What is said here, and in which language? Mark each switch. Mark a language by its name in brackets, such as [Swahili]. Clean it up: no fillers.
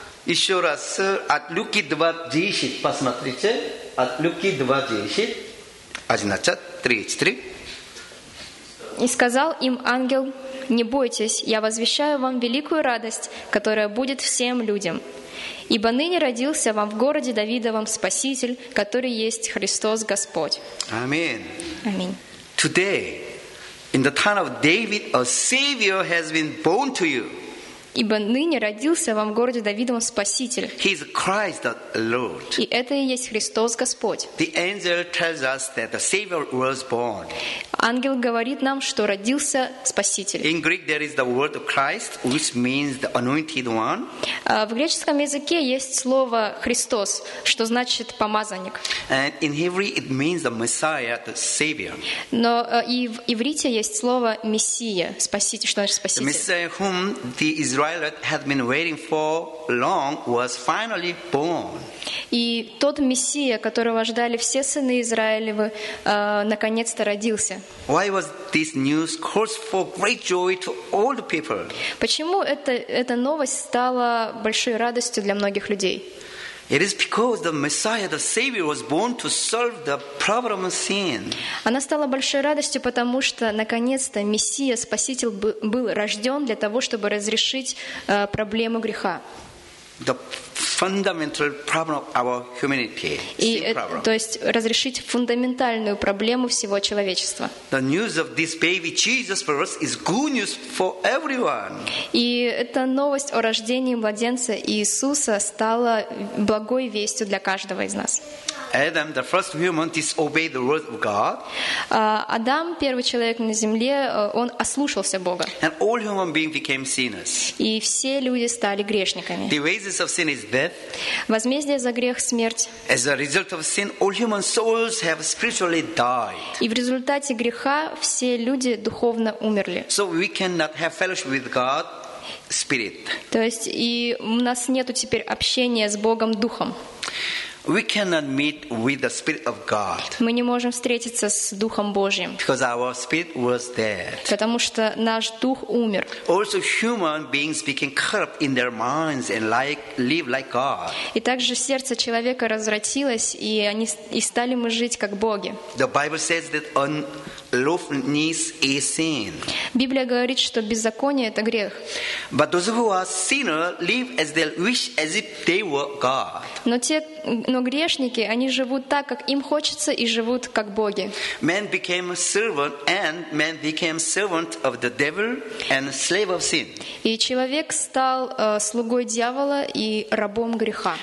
[Russian] Еще раз, от Луки 2.10, посмотрите, от Луки 2.10, 1.33. И сказал им ангел, не бойтесь, я возвещаю вам великую радость, которая будет всем людям. Ибо ныне родился вам в городе Давидовом Спаситель, который есть Христос Господь. Аминь. Аминь. [English] today, in the town of David, a Savior has been born to you. [Russian] Ибо ныне родился вам в городе Давидовом Спаситель. [English] He is Christ the Lord. [Russian] И это и есть Христос Господь. [English] The angel tells us that the Savior was born. [Russian] Ангел говорит нам, что родился Спаситель. [English] In Greek there is the word Christ, which means the anointed one. [Russian] В греческом языке есть слово Христос, что значит помазанник. [English] And in Hebrew it means the Messiah, the Savior. [Russian] Но и в иврите есть слово Мессия, Спаситель, что значит Спаситель. [English] The Messiah whom the Israel had been waiting for long was finally born. [Russian] И тот Мессия, которого ждали все сыны Израилевы, наконец-то родился. [English] Why was this news caused for great joy to all the people? [Russian] Почему эта новость стала большой радостью для многих людей? [English] It is because the Messiah, the Savior, was born to solve the problem of sin. [Russian] Она стала большой радостью, потому что наконец-то Мессия, Спаситель, был рожден для того, чтобы разрешить проблему греха. [English] The fundamental problem of our humanity. [Russian] То есть разрешить фундаментальную проблему всего человечества. [English] The news of this baby Jesus for us is good news for everyone. [Russian] И эта новость о рождении младенца Иисуса стала благой вестью для каждого из нас. [English] Adam, the first human, disobeyed the word of God. [Russian] Адам, первый человек на земле, он ослушался Бога. [English] And all human beings became sinners. [Russian] И все люди стали грешниками. [English] The wages of sin is death. [Russian] Возмездие за грех – смерть. [English] As a result of sin, all human souls have spiritually died. [Russian] И в результате греха все люди духовно умерли. [English] So we cannot have fellowship with God, Spirit. [Russian] То есть и у нас нету теперь общения с Богом Духом. [English] We cannot meet with the Spirit of God. [Russian] Мы не можем встретиться с Духом Божьим. [English] Because our spirit was dead. [Russian] Потому что наш дух умер. [English] Also, human beings became corrupt in their minds and live like God. [Russian] И также сердце человека развратилось, и они стали мы жить как боги. [English] The Bible says that unlawfulness is sin. [Russian] Библия говорит, что беззаконие это грех. [English] But those who are sinners live as they wish, as if they were God. [Russian] Но грешники, они живут так, как им хочется, и живут как боги. [English] Man became a servant, and man became servant of the devil and slave of sin. [Russian] И человек стал слугой дьявола и рабом греха.